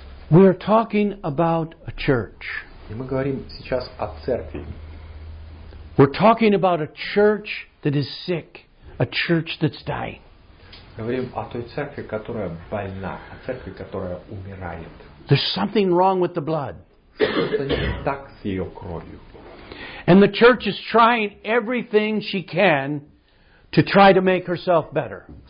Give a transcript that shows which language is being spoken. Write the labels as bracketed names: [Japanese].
[English] We are talking about a church. [Russian] И мы говорим сейчас о церкви. [English] We're talking about a church that is sick, a church that's dying. [Russian] Говорим о той церкви, которая больна, о церкви, которая умирает. [English] There's something wrong with the blood. [Russian] Что-то не так с ее кровью. [English] And the church is trying everything she can to try to make herself better.